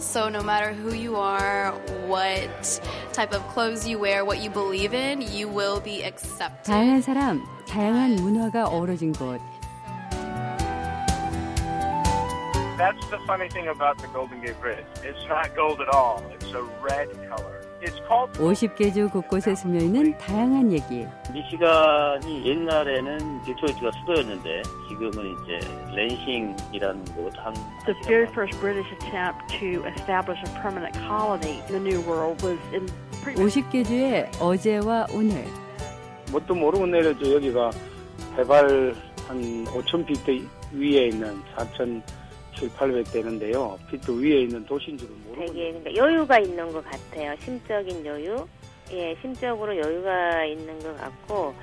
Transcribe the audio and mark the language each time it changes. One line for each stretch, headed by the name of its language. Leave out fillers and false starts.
English: So no matter who you are, what type of clothes you wear, what you believe in, you will be accepted.
Korean: 다양한 사람, 다양한 문화가 어우러진 곳.
English: That's the funny thing about the Golden Gate Bridge. It's not gold at all. It's a red color.
Korean: 50개 주 곳곳에 숨어있는 다양한 얘기. 미시간이 옛날에는 디트로이트가 수도였는데 지금은 이제 랜싱이라는 곳 한.
English: The very first British attempt to establish a permanent colony in the New World was in.
Korean: 50개 주의 어제와 오늘. 뭣도 모르고 내려져 여기가 해발 한 5천 피트 위에 있는 4천. 7,800 되는데요. 피트 위에 있는 도시인 줄은 모르고. 그러니까 여유가 있는 것 같아요. 심적인 여유. 예, 심적으로 여유가 있는 것 같고.